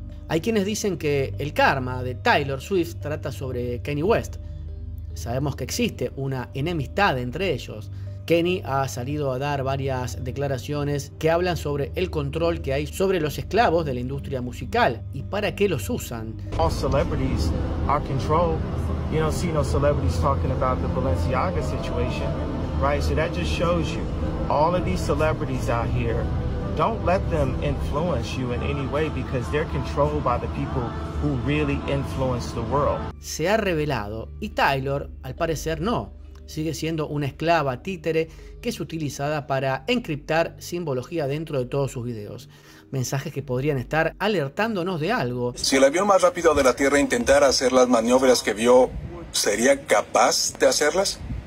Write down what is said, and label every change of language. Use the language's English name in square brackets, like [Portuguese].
[Spanish] Hay quienes dicen que el karma de Taylor Swift trata sobre Kanye West. Sabemos que existe una enemistad entre ellos. Kanye ha salido a dar varias declaraciones que hablan sobre el control que hay sobre los esclavos de la industria musical y para qué los usan. [English] All celebrities are controlled. You don't see no celebrities talking about the Balenciaga situation, right? So that just shows you all of these celebrities out here. Don't let them influence you in any way because they're controlled by the people who really influence the world. [Spanish] Se ha revelado y Taylor, al parecer, no. Sigue siendo una esclava títere que es utilizada para encriptar simbología dentro de todos sus videos. Mensajes que podrían estar alertándonos de algo. Si el avión más rápido de la Tierra intentara hacer las maniobras que vio, ¿sería capaz de hacerlas?